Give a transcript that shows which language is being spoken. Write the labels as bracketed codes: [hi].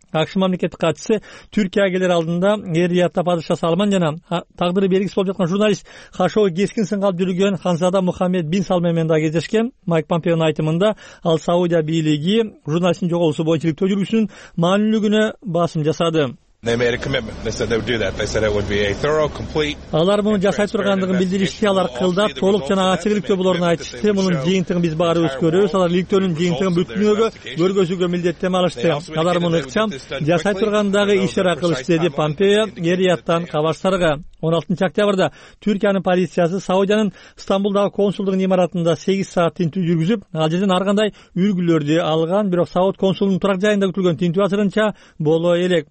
[ky] АКШ мамлекеттик катчысы Түркияга келер алдында Эр-Риядта падыша Салман жана тагдыры белгисиз болуп жаткан журналист Хашогу кескин сынга алып жүргөн ханзада Мухаммед бин Салман менен да кездешкен. Майк Помпеонун айтымында ал Саудия бийлиги журналисттин жоголуусу боюнча иликтөө жүргүзүүнүн маанилүүлүгүнө басым жасады. [en] They made a commitment. They said they would do that. They said it would be a thorough, complete. [ky] Алар муну жасай тургандыгын билдиришти. Алар кылдат толук жана ачык иликтөө болорун айтышты. Мунун жыйынтыгын биз баарыбыз көрөбүз. Алар иликтөөнүн жыйынтыгын бүт дүйнөгө көргөзүүгө милдеттенме алышты. Алар муну ыкчам жасай тургандагы ишара кылышты, деди Помпео Эр-Риядтан кабарчыларга. 16 октябрьда Түркиянын полициясы Саудиянын Стамбулдагы консулдугунун имаратында 8 саат тинтүү жүргүзүп, ал жерден ар кандай үлгүлөрдү алган, бирок Сауд консулунун турак жайында өткөрүлгөн тинтүү азырынча боло элек.